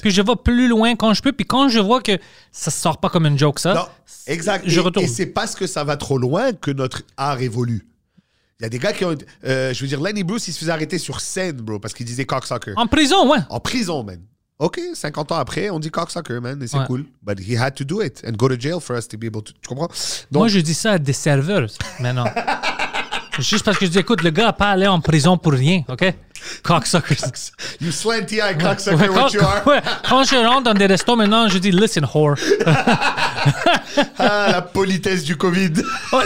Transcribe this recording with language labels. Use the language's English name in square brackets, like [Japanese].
[French] Puis je vais plus loin quand je peux. Puis quand je vois que ça ne sort pas comme une joke, ça. Non, exact. Je retourne. Et c'est parce que ça va trop loin que notre art évolue. Il y a des gars qui ont. Je veux dire, Lenny Bruce, il se faisait arrêter sur scène, bro, parce qu'il disait cocksucker. En prison, ouais. En prison, man. OK, 50 ans après, on dit cocksucker, man. Et c'est ouais. [English] Cool. But he had to do it and go to jail for us to be able to. [French] Tu comprends? Donc, moi, je dis ça à des serveurs maintenant. Juste parce que je dis, écoute, le gars n'a pas allé en prison pour rien, OK? [English] Cocksuckers. You slanty eye cocksucker, ouais, what you are. [French] Quand je rentre dans des restos maintenant, je dis, [English] listen, whore. [French] Ah, la politesse du COVID. Ouais,